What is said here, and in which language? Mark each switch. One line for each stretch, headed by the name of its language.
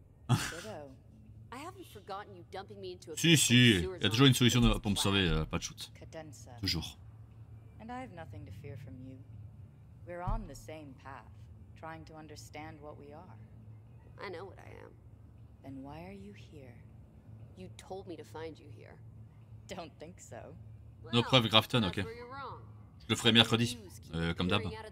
English: I haven't forgotten you dumping me into a.
French: Si si, il y a toujours une solution pour me sauver, pas de shoot. Toujours.
English: And I have nothing to fear from you. We're on the same path, trying to understand what we are. I know what I am. Then why are you here? You told me to find you here. Don't think so. No preuve, Grafton, okay.
French: Je le ferai mercredi, comme d'hab.